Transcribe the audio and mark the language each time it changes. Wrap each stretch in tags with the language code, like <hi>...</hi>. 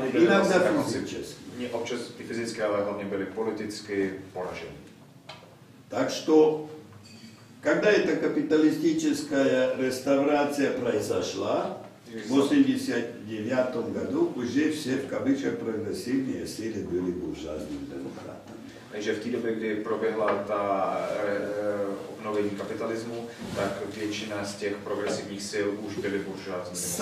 <cs>Oni byli vlastně fyzicky. Ne občas i fyzicky, ale hlavně byli politicky poraženi.</cs> <ru>Takže, когда эта капиталистическая реставрация произошла, в 89-м году уже все в кавычках прогрессивные силы были буржуазными демократами.</ru> <cs>Takže v té době, kdy proběhla ta obnovení kapitalismu, tak většina z těch progresivních sil už byly buržoázní.</cs>